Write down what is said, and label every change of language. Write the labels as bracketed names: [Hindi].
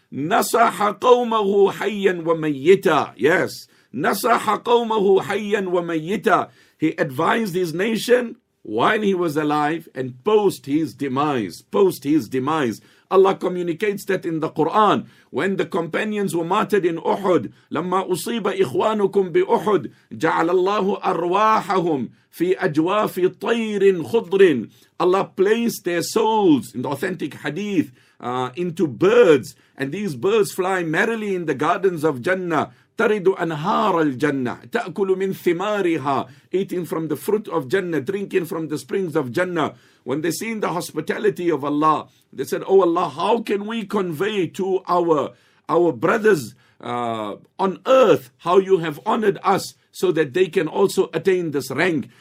[Arabic] Nasaha qawmahu hayyan wa mayyita. [English] Yes. [Arabic] Nasaha qawmahu hayyan wa mayyita. [English] He advised his nation while he was alive and post his demise. Allah communicates that in the Quran. When the companions were martyred in Uhud, [Arabic] لما أصيب إخوانكم بأحد جعل الله أرواحهم في أجواف طير خضر. [English] Allah placed their souls, in the authentic hadith, into birds, and these birds fly merrily in the gardens of Jannah. [Arabic] ترد أنهار الجنة تأكل من ثمارها. [English] Eating from the fruit of Jannah, drinking from the springs of Jannah. When they seen the hospitality of Allah, they said, oh Allah, how can we convey to our brothers on earth how you have honored us so that they can also attain this rank?